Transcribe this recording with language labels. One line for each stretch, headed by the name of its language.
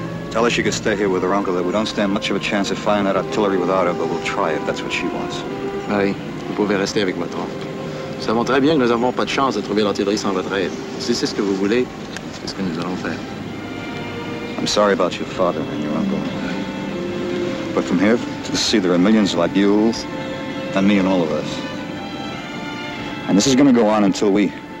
English: Tell her she could stay here with her uncle, that we don't stand much of a chance of firing that artillery without her, but we'll try if that's what she wants.
French: Marie, vous pouvez rester avec votre oncle. Nous savons très bien que nous n'avons pas de chance de trouver l'artillerie sans votre aide. Si c'est ce que vous voulez, c'est ce que nous allons faire.
English: I'm sorry about your father and your uncle. But from here to the sea, there are millions like you and me and all of us. And this is going to go on until we...